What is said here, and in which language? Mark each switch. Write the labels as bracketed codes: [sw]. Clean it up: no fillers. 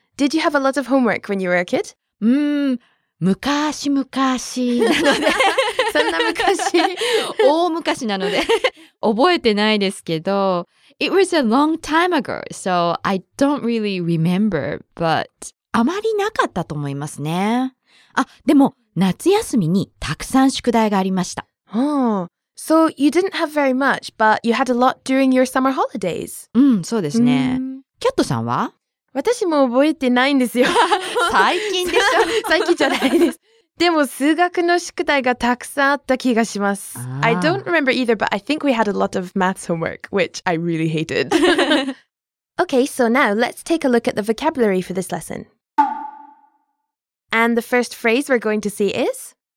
[en] Did you have a lot of homework when you were a kid? [ja] 昔々なので。そんな昔。大昔なので。覚えてないですけど。 [en] It was a long time ago, so I don't really remember, but... [ja] あまりなかったと思いますね。あ、でも夏休みにたくさん宿題がありました。 [en] Oh, so you didn't have very much, but you had a lot during your summer holidays. [ja] うん、そうですね。キャットさんは？私も覚えてないんですよ。最近でしょ？最近じゃないです。でも数学の宿題がたくさんあった気がします。 [en] I don't remember either, but I think we had a lot of maths homework, which I really hated. Okay, so now let's take a look at the vocabulary for this lesson. And the first phrase we're going to see is?